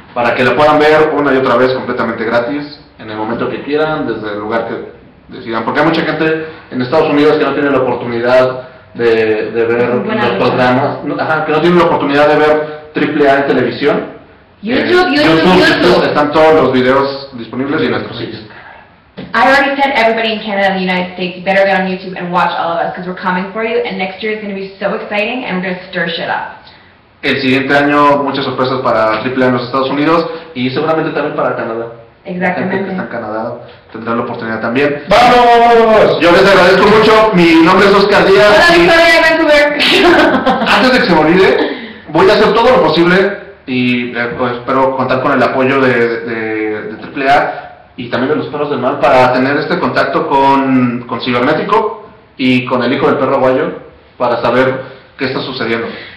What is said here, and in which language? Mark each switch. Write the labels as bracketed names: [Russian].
[Spanish] Para que la puedan ver una y otra vez completamente gratis, en el momento que quieran, desde el lugar que decidan, porque hay mucha gente en Estados Unidos que no tiene la oportunidad de ver los programas, que no tiene la oportunidad de ver AAA en televisión. YouTube. Están todos los videos disponibles y en nuestro sitio. [English] I already said everybody in Canada and the United States better get on YouTube and watch all of us because we're coming for you and next year is going to be so exciting and we're going to stir shit up. [Spanish] El siguiente año muchas sorpresas para AAA en los Estados Unidos y seguramente también para Canadá. Exactamente. La gente que está en Canadá tendrá la oportunidad también. ¡Vamos! Yo les agradezco mucho. Mi nombre es Oscar Díaz. ¡Hola, Victoria de Vancouver! Antes de que se me olvide, voy a hacer todo lo posible y espero contar con el apoyo de AAA y también de los perros del mal para tener este contacto con Cibernético y con el hijo del perro guayo para saber qué está sucediendo.